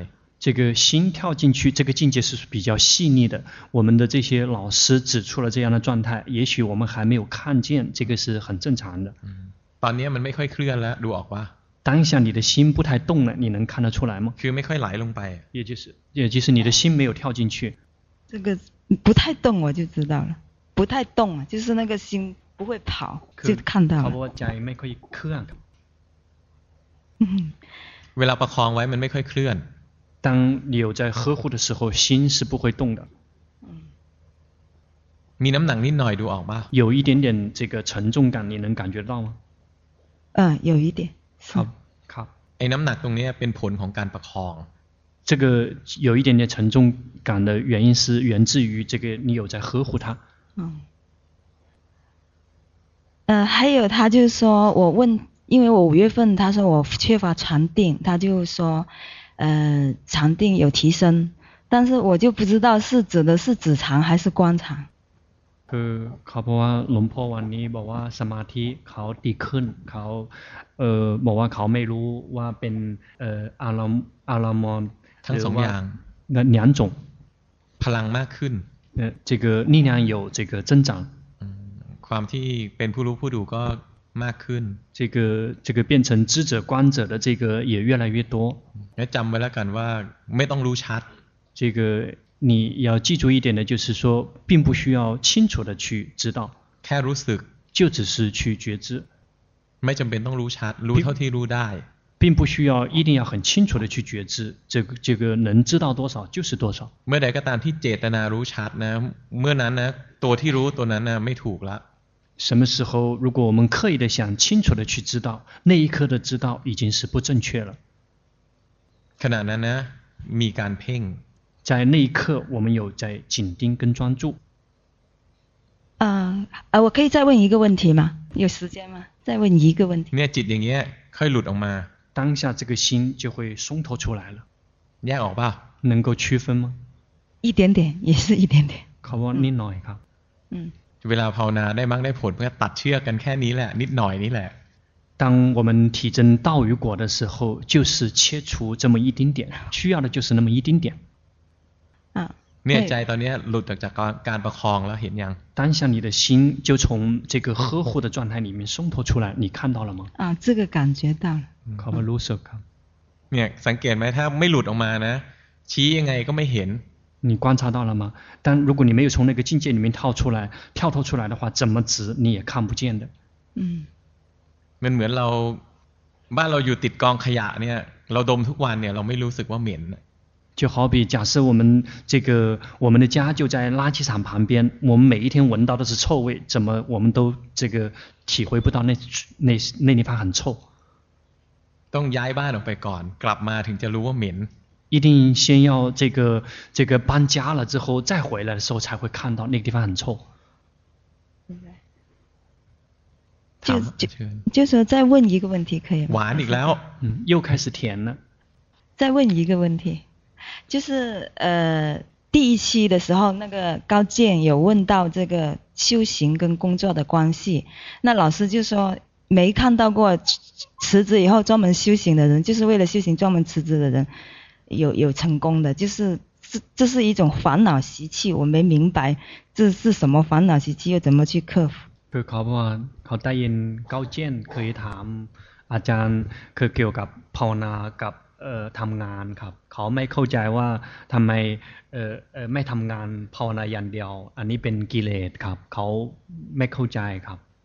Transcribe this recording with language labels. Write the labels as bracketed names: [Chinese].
[Chinese] 这个心跳进去这个境界是比较细腻的我们的这些老师指出了这样的状态也许我们还没有看见这个是很正常的 [Thai] ตอนนี้มันไม่ค่อยเคลื่อนแล้วดูออกป่ะ [Chinese] 当下你的心不太动了你能看得出来吗 [Thai] คือไม่ค่อยไหลลงไป [Chinese] 也就是你的心没有跳进去这个不太动我就知道了不太动就是那个心不会跑就看到了 [Thai] เพราะว่าใจไม่ค่อยเคลื่อน เวลาประคองไว้มันไม่ค่อยเคลื่อน [Chinese] 当你有在呵护的时候心是不会动的 [Thai] มีน้ำหนักนิดหน่อยดูออกป่ะ [Chinese] 有一点点这个沉重感你能感觉到吗有一点 [Thai] ครับ ไอ้น้ำหนักตรงนี้เป็นผลของการประคอง [Chinese] 这个有一点点沉重感的原因是源自于这个你有在呵护它还有他就是说我问因为我五月份他说我缺乏禅定他就说禅定有提升但是我就不知道是指的是指禅还是观禅 [Thai] คือเขาบอกว่าหลวงพ่อวันนี้บอกว่าสมาธิเขาดีขึ้นเขาบอกว่าเขาไม่รู้ว่าเป็นอารมณ์ ทั้งสองอย่าง หลายจง พลังมากขึ้น [Chinese] 这个力量有这个增长 [Thai] ความที่เป็นผู้รู้ผู้ดูก็มากขึ้น [Chinese] 这个变成知者观者的这个也越来越多 [Thai] จำไว้แล้วกันว่าไม่ต้องรู้ชัด [Chinese] 这个你要记住一点的就是说并不需要清楚的去知道 [Thai] แค่รู้สึก [Chinese] 就只是去觉知 [Thai] ไม่จำเป็นต้องรู้ชัดรู้เท่าที่รู้ได้ [Chinese] 并不需要一定要很清楚的去觉知这个能知道多少就是多少 [Thai] เมื่อใดก็ตามที่เจตนารู้ชัดนะเมื่อนั้นนะตัวที่รู้ตัวนั้นนะไม่ถูกละ [Chinese] 什么时候如果我们刻意的想清楚的去知道那一刻的知道已经是不正确了 [Thai] ขณะนั้นนะมีการเพ่ง [Chinese] 在那一刻我们有在紧盯跟专注我可以再问一个问题吗有时间吗再问一个问题 [Thai] เนี่ยจิตอย่างเงี้ยค่อยหลุดออกมา [Chinese] 当下这个心就会松脱出来了 [Thai] แยกออกป่ะ [Chinese] 能够区分吗一点点也是一点点 [Thai] ขอว่านิดหน่อยครับ เวลาภาวนาได้มั้งได้ผลเพื่อตัดเชือกกันแค่นี้แหละนิดหน่อยนี่แหละ [Chinese] 当我们体证道与果的时候就是切除这么一丁点需要的就是那么一丁点 [Thai] เนี่ยใจตอนนี้หลุดจากการประคองแล้วเห็นยัง [Chinese] 当下你的心就从这个呵护的状态里面松脱出来你看到了吗这个感觉到了 [Thai] เขามารู้สึกครับ เนี่ยสังเกตไหมถ้าไม่หลุดออกมานะชี้ยังไงก็ไม่เห็น [Chinese] 你观察到了吗但如果你没有从那个境界里面跳脱出来的话怎么指你也看不见的 [Thai] มันเหมือนเราบ้านเราอยู่ติดกองขยะเนี่ยเราดมทุกวันเนี่ยเราไม่รู้สึกว่าเหม็น [Chinese] 就好比假设我们的家就在垃圾场旁边我们每一天闻到的是臭味怎么我们都这个体会不到那地方很臭 [Thai] ต้องย้ายบ้านออกไปก่อนกลับมาถึงจะรู้ว่าเหม็น [Chinese] 一定先要这个搬家了之后再回来的时候才会看到那个地方很臭就是再问一个问题可以吗完了又开始甜了再问一个问题就是第一期的时候那个高健有问到这个修行跟工作的关系那老师就说没看到过辞职以后专门修行的人就是为了修行专门辞职的人有成功的就是这是一种烦恼习气我没明白这是什么烦恼习气又怎么去克服 [Thai] คือเขาบอกว่าเขาได้ยินก้าวเจียนเคยถามอาจารย์คือเกี่ยวกับภาวนากับทำงานครับเขาไม่เข้าใจว่าทำไมไม่ทำงานภาวนาอย่างเดียวอันนี้เป็นกิเลสครับเขาไม่เข้าใจครับ